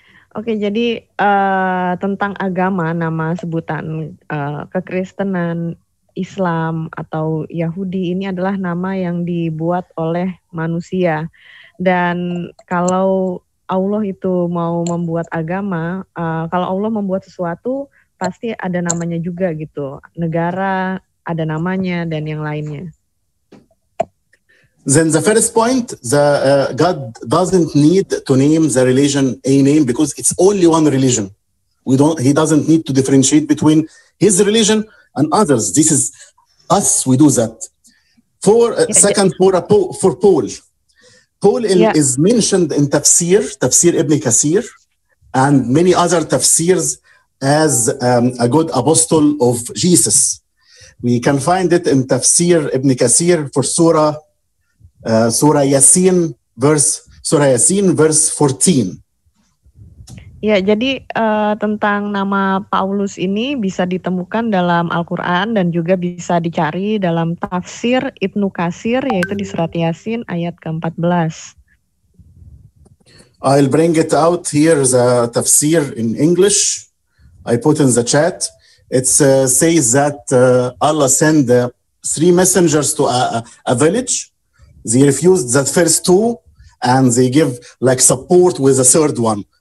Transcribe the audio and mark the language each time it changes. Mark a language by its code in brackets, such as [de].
[id] Okay, jadi tentang agama, nama sebutan kekristenan, Islam atau Yahudi ini adalah nama yang dibuat oleh manusia. Dan kalau Allah itu mau membuat agama, kalau Allah membuat sesuatu pasti ada namanya juga gitu. Negara ada namanya dan yang lainnya. [en] Then the first point, God doesn't need to name the religion a name because it's only one religion. He doesn't need to differentiate between his religion and others. This is us, we do that. For Paul. Paul is mentioned in Tafsir Ibn Kathir, and many other tafsirs as a good apostle of Jesus. We can find it in Tafsir Ibn Kathir for Surah Yasin, verse 14. [id] Ya, jadi tentang nama Paulus ini bisa ditemukan dalam Al-Quran dan juga bisa dicari dalam Tafsir Ibnu Katsir, yaitu di Surat Yasin ayat ke-14. [en] I'll bring it out here, the Tafsir in English. I put in the chat. It says that Allah sent three messengers to a village. They refused the first two and they give like support with the third one.